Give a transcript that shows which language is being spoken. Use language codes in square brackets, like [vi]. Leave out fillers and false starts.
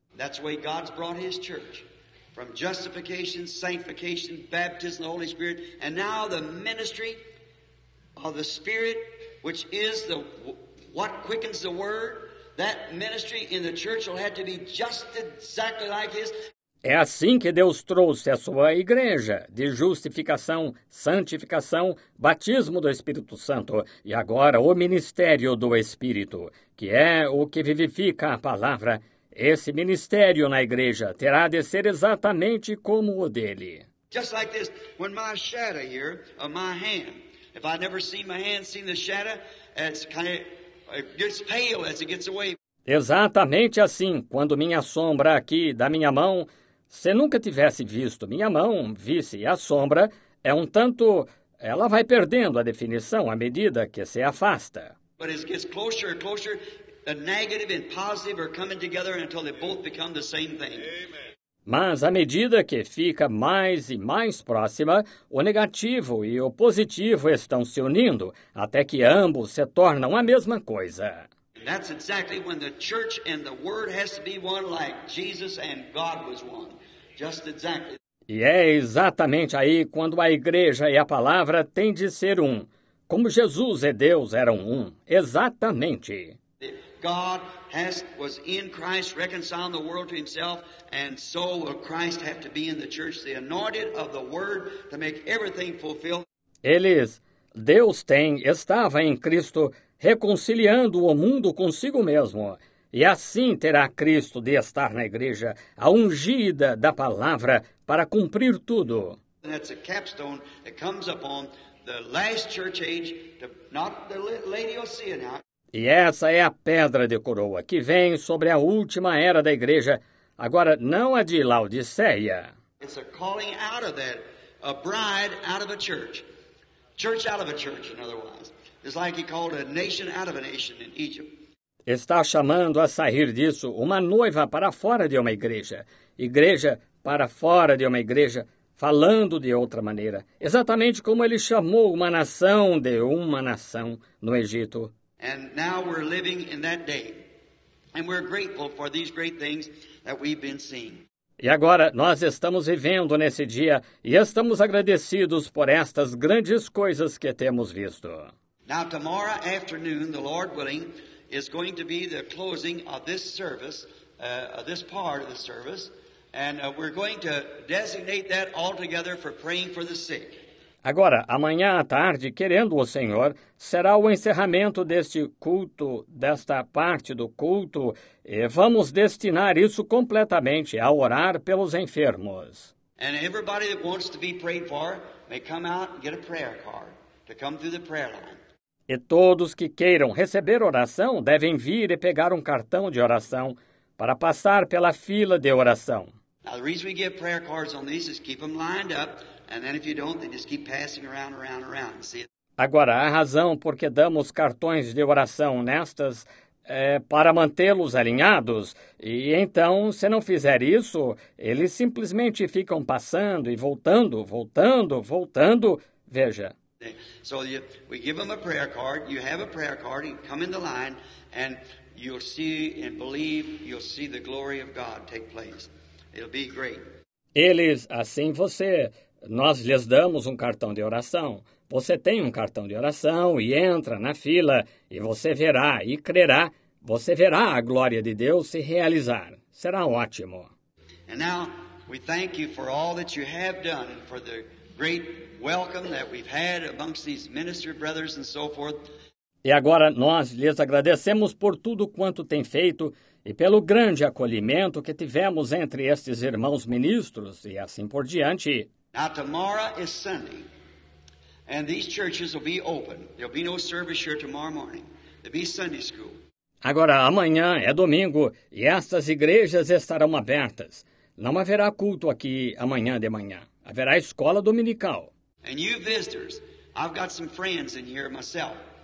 [en] That's the way God's brought his church, from justification, sanctification, baptism of the Holy Spirit, and now the ministry of the Spirit, which is the what quickens the word, that ministry in the church will have to be just exactly like his. [pt] É assim que Deus trouxe a sua igreja, de justificação, santificação, batismo do Espírito Santo, e agora o ministério do Espírito, que é o que vivifica a palavra. Esse ministério na igreja terá de ser exatamente como o dele. [en] Just like this, when my shadow here, of my hand, if I never see my hand, see the shadow, it's kind of, it gets pale as it gets away. [pt] Exatamente assim, quando minha sombra aqui da minha mão, se nunca tivesse visto minha mão, visse a sombra, é um tanto, ela vai perdendo a definição à medida que se afasta. [en] But as it gets closer and closer, the negative and positive are coming together until they both become the same thing. Amen. [pt] Mas à medida que fica mais e mais próxima, o negativo e o positivo estão se unindo, até que ambos se tornam a mesma coisa. [en] That's exactly when the church and the word has to be one like Jesus and God was one. Just exactly. [pt] E é exatamente aí quando a igreja e a palavra têm de ser um, como Jesus e Deus eram um, exatamente. [en] God was in Christ reconciling the world to himself, and so will Christ have to be in the church, the anointed of the word to make everything fulfilled. [pt] Eles, Deus estava em Cristo reconciliando o mundo consigo mesmo. E assim terá Cristo de estar na igreja, a ungida da palavra, para cumprir tudo. [en] That's a capstone that comes upon the last church age, not the lady you'll see now. [pt] E essa é a pedra de coroa que vem sobre a última era da igreja, agora não a de Laodiceia. [en] It's a calling out of that, a bride out of a church. Church out of a church, in other words. It's like he called a nation out of a nation in Egypt. [pt] Está chamando a sair disso uma noiva para fora de uma igreja. Igreja para fora de uma igreja, falando de outra maneira. Exatamente como ele chamou uma nação de uma nação no Egito. [en] And now we're living in that day. And we're grateful for these great things that we've been seeing. [pt] E agora nós estamos vivendo nesse dia e estamos agradecidos por estas grandes coisas que temos visto. [en] Now tomorrow afternoon, the Lord willing, is going to be the closing of this service, this part of the service, and we're going to designate that all together for praying for the sick. [pt] Agora, amanhã à tarde, querendo o Senhor, será o encerramento deste culto, desta parte do culto, e vamos destinar isso completamente a orar pelos enfermos. [en] And everybody that wants to be prayed for may come out and get a prayer card to come through the prayer line. [pt] E todos que queiram receber oração devem vir e pegar um cartão de oração para passar pela fila de oração. [en] Now, the reason we get prayer cards on these is keep them lined up, and then if you don't, they just keep passing around, around, around. See? [pt] Agora, a razão por que damos cartões de oração nestas é para mantê-los alinhados. E então, se não fizer isso, eles simplesmente ficam passando e voltando, voltando, voltando. Veja. [en] So we give them a prayer card. You have a prayer card. You come in the line, and you'll see and believe. You'll see the glory of God take place. It'll be great. [pt] Eles, assim você, nós lhes damos um cartão de oração. Você tem um cartão de oração e entra na fila e você verá e crerá. Você verá a glória de Deus se realizar. Será ótimo. [en] And now we thank you for all that you have done and for the great welcome that we've had amongst these ministry brothers and so forth. [pt] E agora nós lhes agradecemos por tudo quanto tem feito e pelo grande acolhimento que tivemos entre estes irmãos ministros e assim por diante. [en] Now tomorrow is Sunday. And these churches will be open. There'll be no service here tomorrow morning. There'll be Sunday school. [pt] Agora, amanhã é domingo e estas igrejas estarão abertas. Não haverá culto aqui amanhã de manhã. Haverá escola dominical. [en] And you visitors, I've got some friends in here myself.